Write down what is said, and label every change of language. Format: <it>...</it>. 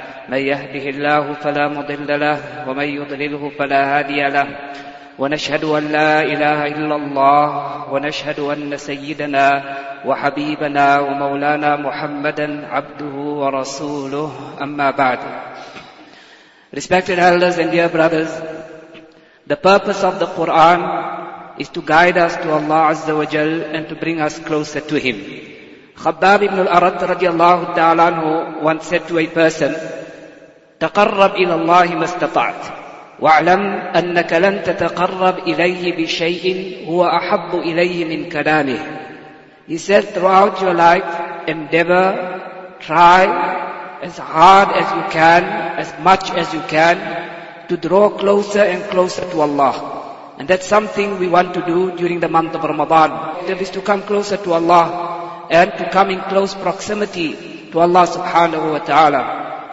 <ar>من يهده الله فلا مضل له ومن يضلله فلا هادي له. ونشهد أن لا إله إلا الله ونشهد أن سيدنا وحبيبنا ومولانا محمدًا عبده ورسوله. أما بعد.</ar> <en>Respected elders and dear brothers, the purpose of the Quran is to guide us to Allah Azza wa Jal and to bring us closer to Him. Khabbab ibn al-Arat radiallahu ta'ala anhu once said to a person,</en> <ar>تقرب إلى الله ما استطعت واعلم أنك لن تتقرب إليه بشيء هو أحب إليه من كلامه.</ar> <en>He said, throughout your life, endeavor, try as hard as you can, as much as you can, to draw closer and closer to Allah. And that's something we want to do during the month of Ramadan. That is to come closer to Allah and to come in close proximity to Allah subhanahu wa ta'ala.</en>